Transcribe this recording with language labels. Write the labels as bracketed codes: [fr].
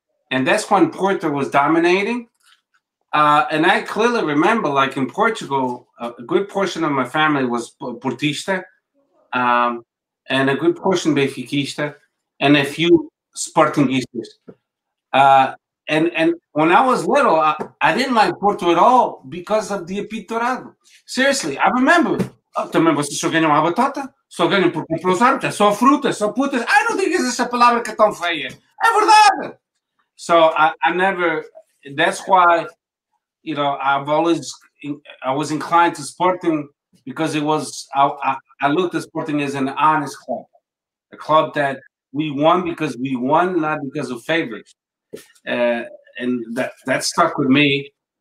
[en] And that's when Porto was dominating. And I clearly remember, like, in Portugal, a good portion of my family was Portista, and a good portion Benfiquista, and a few Sportingistas. And when I was little, I didn't like Porto at all because of the Pitorado. Seriously, I remember. [pt] Também vocês só ganham a batata, só ganham por comprar os árbitros, só frutas, só putas. Ai, não digas essa palavra que é tão feia. É verdade. [en] So I never, that's why, you know, I was inclined to Sporting because it was, I looked at Sporting as an honest club. A club that we won because we won, not because of favorites. And that stuck with me.